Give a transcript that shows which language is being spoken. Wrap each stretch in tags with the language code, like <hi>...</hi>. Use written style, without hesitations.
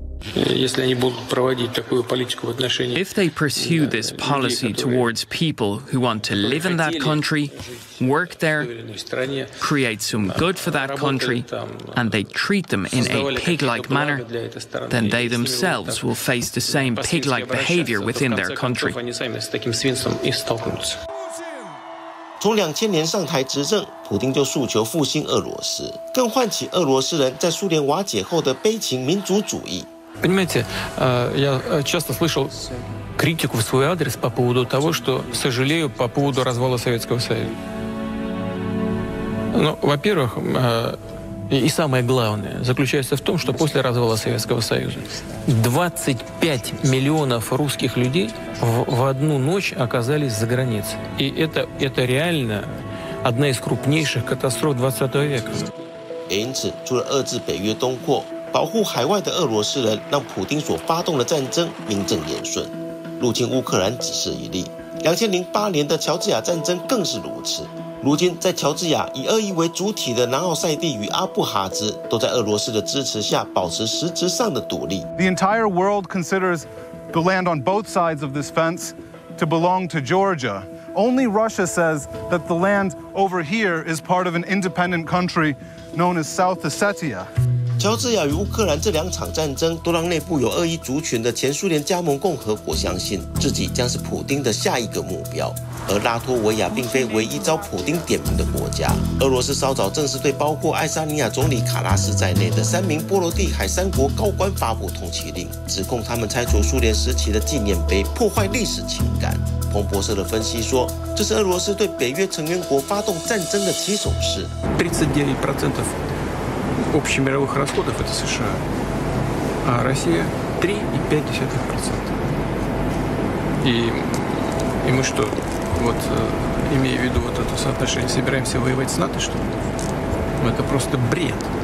<en>If they pursue this policy towards people who want to live in that country, work there, create some good for that country, and they treat them in a pig-like manner, then they themselves will face the same pig-like behavior within their country.</en> <zh>从2000年上台执政，普丁就诉求复兴俄罗斯，更唤起俄罗斯人在苏联瓦解后的悲情民族主义。</zh> <ru>Понимаете, я часто слышал критику в свой адрес по поводу того, что сожалею по поводу развала Советского Союза. Ну, во-первых, и самое главное заключается в том, что после развала Советского Союза 25 миллионов русских людей в одну ночь оказались за границей. И это реально одна из крупнейших катастроф 20 века.</ru> <zh>因此，除了遏制北约东扩，保护海外的俄罗斯人，让普丁所发动的战争名正言顺。入侵乌克兰只是一例，2008年的乔治亚战争更是如此。如今，在乔治亚以俄裔为主体的南奥塞蒂与阿布哈兹，都在俄罗斯的支持下保持实质上的独立。</zh> <en>The entire world considers the land on both sides of this fence to belong to Georgia. Only Russia says that the land over here is part of an independent country known as South Ossetia.</en> <zh>乔治亚与乌克兰这两场战争都让内部有俄裔族群的前苏联加盟共和国相信自己将是普丁的下一个目标，而拉脱维亚并非唯一遭普丁点名的国家。俄罗斯稍早正式对包括爱沙尼亚总理卡拉斯在内的三名波罗的海三国高官发布通缉令，指控他们拆除苏联时期的纪念碑，破坏历史情感。彭博社的分析说，这是俄罗斯对北约成员国发动战争的起手式。</zh> <ru>Общих мировых расходов это США, а Россия 3,5%. И мы что, вот имея в виду вот это соотношение, собираемся воевать с НАТО, что ли? Это просто бред.</ru>